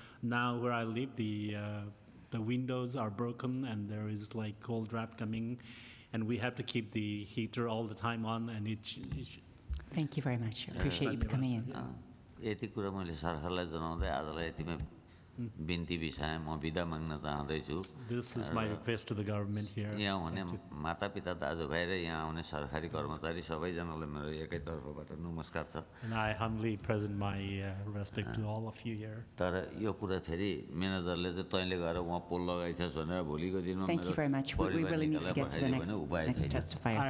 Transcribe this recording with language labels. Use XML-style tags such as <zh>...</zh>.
<en>Now where I live, the windows are broken and there is like cold draft coming, and we have to keep the heater all the time on, and thank you very much. Appreciate you coming in.</en> <ne>यति कुरा मैले सरकारलाई जनाउँदै आजलाई यतिमा बिन्ती बिसाएँ, म विदा माग्न चाहँदैछु।</ne> <en>This is my request to the government here.</en> <ne>यहाँ आउने मातापिता दाजुभाइ र यहाँ आउने सरकारी कर्मचारी सबैजनालाई मेरो एकै तर्फबाट नमस्कार छ।</ne> <en>And I humbly present my respect to all of you here.</en> <ne>तर यो कुरा फेरि म्यानेजरले चाहिँ तैँले गएर उहाँ पोल लगाइछस् भनेर भोलिको दिनमा</ne> <en>Thank you very much. We really need to get to the next testifier.</en>